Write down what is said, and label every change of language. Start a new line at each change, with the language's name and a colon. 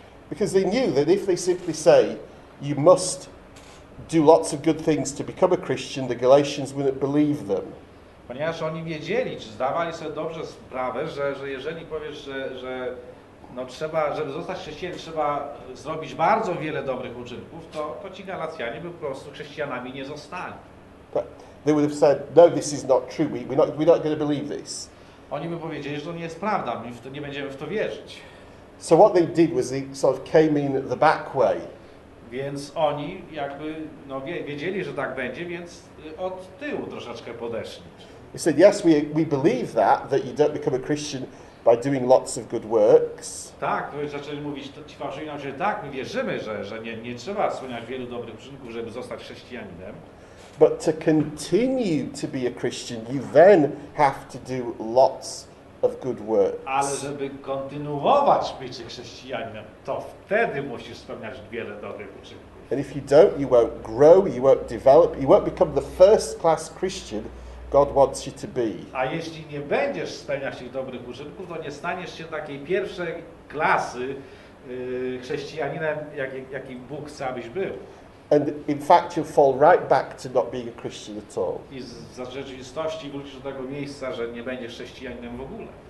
English: Because they knew that if they simply say you must do lots of good things to become a Christian, the Galatians wouldn't believe them.
Polish: Ponieważ oni wiedzieli, czy zdawali sobie dobrze sprawę, że jeżeli powiesz, że no trzeba, żeby zostać chrześcijanin, trzeba zrobić bardzo wiele dobrych uczynków, to ci Galacjanie by po prostu chrześcijanami nie zostali.
English: But they would have said, no, this is not true. We're not going to believe this.
Polish: Oni by powiedzieli, że to nie jest prawda, my w to nie będziemy w to wierzyć.
English: So what they did was they sort of came in the back way.
Polish: Więc oni jakby no wiedzieli, że tak będzie, więc od tyłu troszeczkę podeszli.
English: They said, yes, we believe that you don't become a Christian by doing lots of good works.
Polish: Tak, zaczęli mówić, ci fałszywi nauczyciele, tak, my wierzymy, że nie trzeba spełniać wielu dobrych uczynków, żeby zostać chrześcijaninem.
English: But to continue to be a Christian, you then have to do lots of good works.
Polish: Ale żeby kontynuować być chrześcijaninem, to wtedy musisz spełniać wiele dobrych uczynków.
English: And if you don't, you won't grow, you won't develop, you won't become the first class Christian God wants you to be.
Polish: A jeśli nie będziesz spełniać tych dobrych uczynków, to nie staniesz się takiej pierwszej klasy chrześcijaninem, jakim Bóg chce, abyś był.
English: And in fact, you fall right back to not being a Christian at all.
Polish: I z rzeczywistości wrócisz do tego miejsca, że nie będziesz chrześcijaninem w ogóle.